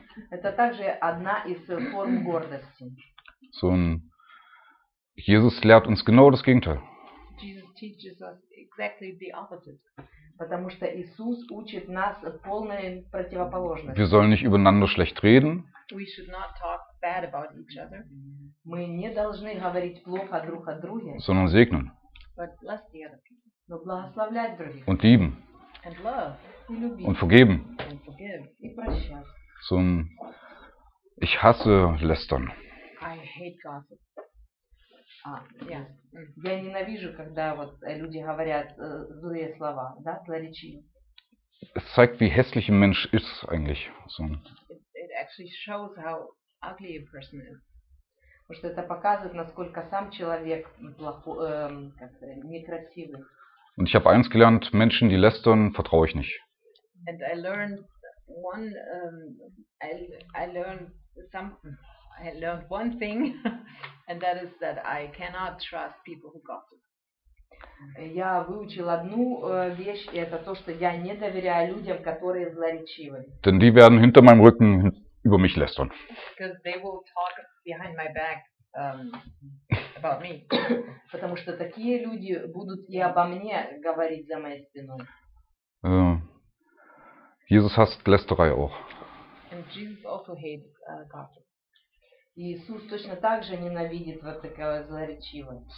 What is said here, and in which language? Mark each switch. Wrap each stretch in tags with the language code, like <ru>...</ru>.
<ru>Это также одна из форм гордости.</ru> <de>So ein Jesus lehrt uns genau das Gegenteil.</de> <en>Jesus teaches us exactly the opposite.</en> <ru>Потому что Иисус учит нас полной противоположности.</ru> <de>Wir sollen nicht übereinander schlecht reden.</de> <en>We should not talk bad about each other.</en> <ru>Мы не должны говорить плохо друг о друге.</ru> <de>Sondern segnen.</de> <en>But bless the other people.</en> <ru>Но благословлять других.</ru> <de>Und lieben.</de> <en>And love.</en> <ru>И любить.</ru> <de>Und vergeben.</de> <en>And forgive.</en> <ru>И прощать.</ru> <de>So ein ich hasse lästern.</de> <en>I hate gossip.</en> <ru>Я ненавижу, когда вот люди говорят злые слова, да, злоречивые.</ru> <de>Es zeigt, wie hässlich ein Mensch ist eigentlich. So.</de> <en>It actually shows how ugly a person is.</en> <ru>Потому что это показывает, насколько сам человек плохой, некрасивый.</ru> <de>Und ich habe eins gelernt: Menschen, die lästern, vertraue ich nicht.</de> <en>And I learned one thing, and that is that I cannot trust people who gossip.</en> <ru>Я выучил одну вещь, и это то, что я не доверяю людям, которые злоречивы.</ru> <de>Denn die werden hinter meinem Rücken über mich lästern.</de> <en>Because they will talk behind my back about me.</en> <ru>Потому что такие люди будут и обо мне говорить за моей спиной.</ru> <de>Jesus hasst Lästerei auch.</de> <en>And Jesus also hates gossip.</en> <ru>Иисус точно так же ненавидит вот такое злоречивое.</ru>